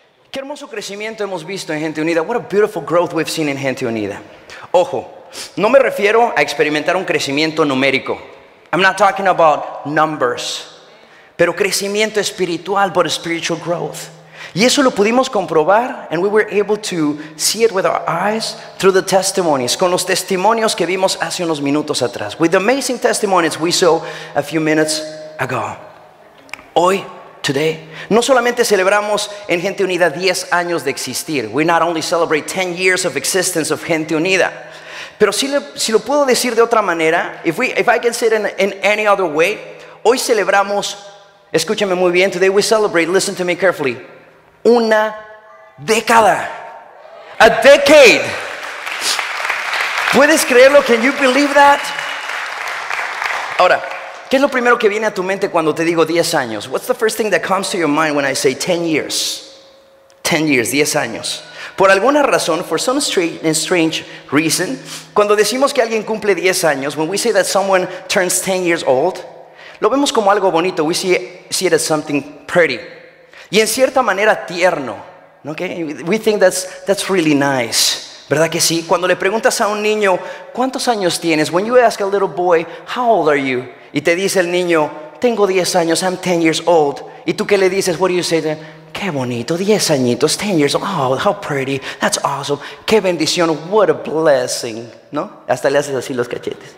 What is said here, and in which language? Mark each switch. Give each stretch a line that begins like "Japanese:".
Spanish: Qué hermoso crecimiento hemos visto en Gente Unida.
English: What a beautiful growth we've seen in Gente Unida.
Spanish: Ojo, no me refiero a experimentar un crecimiento numérico.
English: I'm not talking about numbers.
Spanish: Pero crecimiento espiritual,
English: but a spiritual growth.
Spanish: Y eso lo pudimos comprobar,
English: and we were able to see it with our eyes through the testimonies,
Spanish: con los testimonios que vimos hace unos minutos atrás.
English: With the amazing testimonies we saw a few minutes ago.
Spanish: Hoy, today, no solamente celebramos en Gente Unida 10 años de existir.
English: We not only celebrate 10 years of existence of Gente Unida.
Spanish: Pero si lo puedo decir de otra manera,
English: if I can say it in any other way,
Spanish: hoy celebramos, escúchame muy bien,
English: today we celebrate, listen to me carefully,
Spanish: una década.
English: A decade.
Spanish: ¿Puedes creerlo?
English: Can you believe that?
Spanish: Ahora, ¿qué es lo primero que viene a tu mente cuando te digo 10 años?
English: What's the first thing that comes to your mind when I say 10 years? 10 years,
Spanish: 10 años. Por alguna razón,
English: for some strange reason,
Spanish: cuando decimos que alguien cumple 10 años,
English: when we say that someone turns 10 years old,
Spanish: lo vemos como algo bonito.
English: We see it as something pretty.
Spanish: Y en cierta manera tierno.
English: Okay? We think that's really nice.
Spanish: ¿Verdad que sí? Cuando le preguntas a un niño, ¿cuántos años tienes?
English: When you ask a little boy, how old are you?
Spanish: Y te dice el niño, tengo 10 años,
English: I'm 10 years old.
Spanish: Y tú que le dices,
English: what do you say to him?
Spanish: Qué bonito, 10 añitos,
English: 10 years old, oh, how pretty, that's awesome.
Spanish: Qué bendición,
English: what a blessing.
Spanish: ¿No? Hasta le haces así los cachetes.